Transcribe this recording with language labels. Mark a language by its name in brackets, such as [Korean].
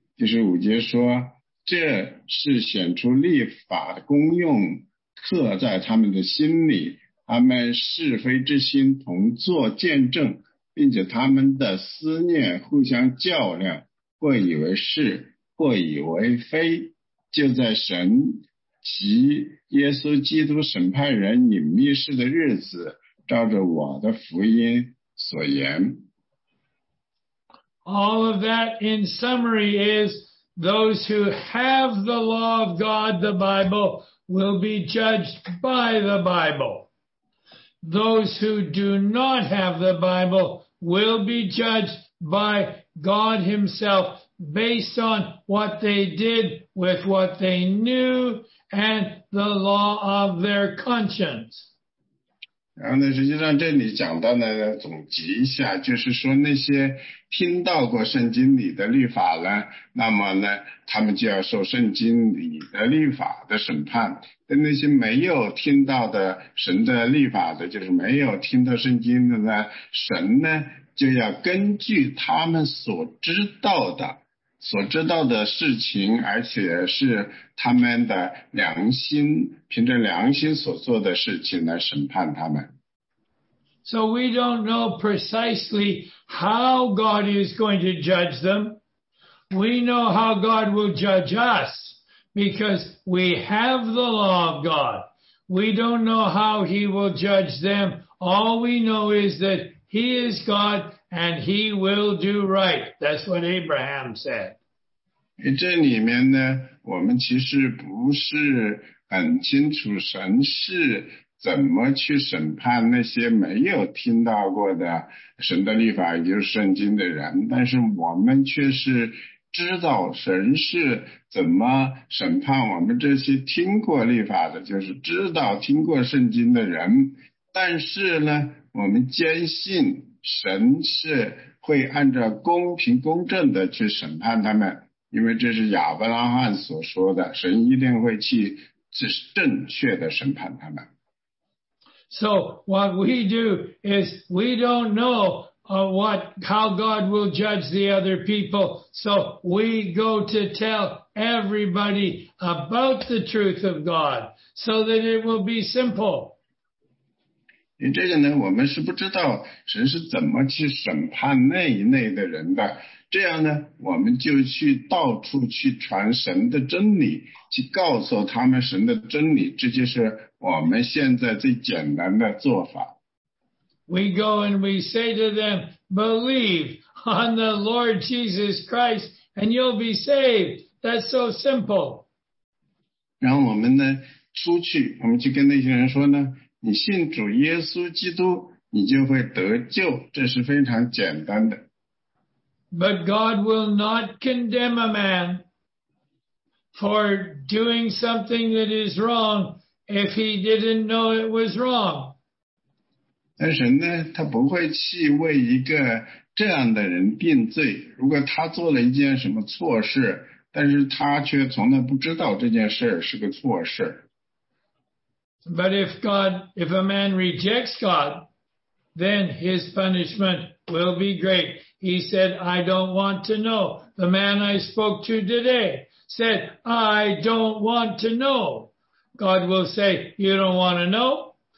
[Chinese] 第十五节说，这是显出律法的功用，刻在他们的心里，他们是非之心同作见证，并且他们的思念互相较量，或以为是，或以为非，就在神及耶稣基督审判人隐秘事的日子，照着我的福音所言。 [English] All of that in summary is those who have the law of God, the Bible, will be judged by the Bible. Those who do not have the Bible will be judged by God himself based on what they did with what they knew and the law of their conscience. [Chinese] 然后呢，实际上这里讲到呢，总结一下，就是说那些听到过圣经里的律法呢，那么呢，他们就要受圣经里的律法的审判。但那些没有听到的神的律法的，就是没有听到圣经的呢，神呢，就要根据他们所知道的，所知道的事情，而且是他们的良心，凭着良心所做的事情来审判他们。 [English] So we don't know precisely how God is going to judge them. We know how God will judge us because we have the law of God. We don't know how he will judge them. All we know is that he is God and he will do right. That's what Abraham said. [Chinese] 这里面呢，我们其实不是很清楚神是怎么去审判那些没有听到过的神的律法，也就是圣经的人，但是我们却是知道神是怎么审判我们这些听过律法的，就是知道听过圣经的人，但是呢，我们坚信神是会按照公平公正的去审判他们，因为这是亚伯拉罕所说的，神一定会去正确的审判他们。 [English] So what we do is we don't know how God will judge the other people. So we go to tell everybody about the truth of God so that it will be simple. [Chinese] 这个呢，我们是不知道神是怎么去审判那一类的人的。这样呢，我们就去到处去传神的真理，去告诉他们神的真理，这就是我们现在最简单的做法。 [English] We go and we say to them, believe on the Lord Jesus Christ and you'll be saved. That's so simple. [Chinese] 然后我们呢，出去，我们去跟那些人说呢，你信主耶稣基督，你就会得救，这是非常简单的。 [English] But God will not condemn a man for doing something that is wrong if he didn't know it was wrong. [Chinese] 但神呢，他不会去为一个这样的人定罪。如果他做了一件什么错事，但是他却从来不知道这件事是个错事。 [English] But if a man rejects God, then his punishment will be great. He said, I don't want to know. The man I spoke to today said, I don't want to know. God will say, you don't want to know?